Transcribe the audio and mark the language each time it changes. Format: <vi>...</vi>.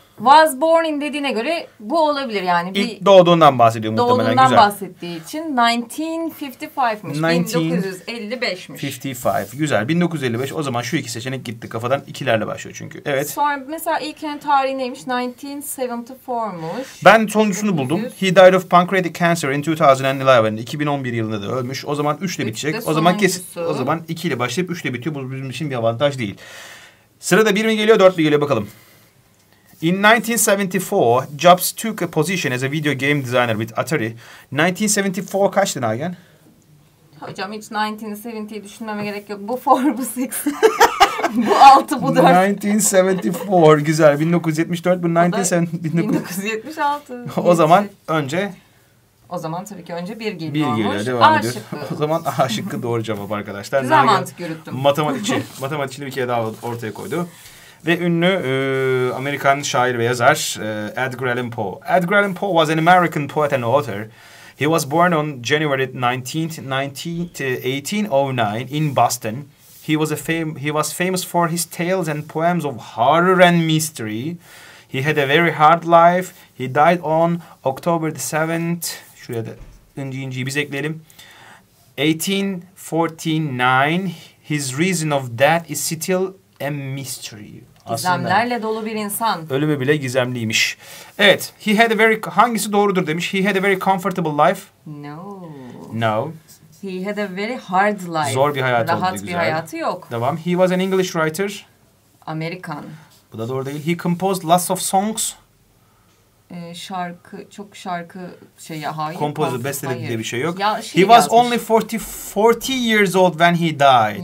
<en>Was born in</en> <tr>dediğine göre bu olabilir yani. İlk doğduğundan bahsediyor muhtemelen. Doğduğundan güzel. Doğduğundan bahsettiği için 1955'miş. Güzel. 1955. O zaman şu iki seçenek gitti kafadan. İkilerle başlıyor çünkü. Evet. Sonra mesela ilkinin tarihi neymiş? 1974'muş. Ben sonuçunu buldum.</tr> <en>He died of pancreatic cancer in 2011.</en> <tr>2011 yılında da ölmüş. O zaman 3 ile bitecek. O zaman kesin. O zaman 2 ile başlayıp 3 ile bitiyor. Bu bizim için bir avantaj değil. Sırada 1 mi geliyor, 4 mi geliyor bakalım.</tr> <en>In 1974, Jobs took a position as a video game designer with Atari.</en> <tr>1974 kaçtı Nagen? Hocam hiç 1970'yi düşünmeme gerek yok. Bu 4, bu 6. bu 6, bu 4. 1974, güzel. 1974, bu 1976. O zaman önce? O zaman tabii ki önce 1 geliyor. 1 geliyor, devam ediyor. O zaman A şıkkı doğru cevap arkadaşlar. Güzel Nagen, mantık yürüttüm. Matematikçi. Matematikçini bir kere daha ortaya koydu. Ve ünlü Amerikan şair ve yazar Edgar Allan Poe.</tr> <en>Edgar Allan Poe was an American poet and author. He was born on January 19th, 1809 in Boston. He was famous for his tales and poems of horror and mystery. He had a very hard life. He died on October the 7th.</en> <tr>Şuraya da inceyi biz ekleyelim. 1849.</tr> <en>His reason of death is still a mystery.</en> <tr>Gizemlerle aslında dolu bir insan. Ölümü bile gizemliymiş. Evet.</tr> <en>He had a very...</en> <tr>Hangisi doğrudur demiş.</tr> <en>He had a very comfortable life. No. No. He had a very hard life.</en> <tr>Zor bir hayatı oldu. Rahat bir güzel. Hayatı yok. Devam.</tr> <en>He was an English writer.</en> <tr>Amerikan. Bu da doğru değil.</tr> <en>He composed lots of songs.</en> <tr>Şarkı, çok şarkı şey ya, hayır. Composer, besteledi diye bir şey yok. Ya, şey</tr> <en>he was</en> <tr>yazmış.</tr> <en>Only 40 years old when he died.</en>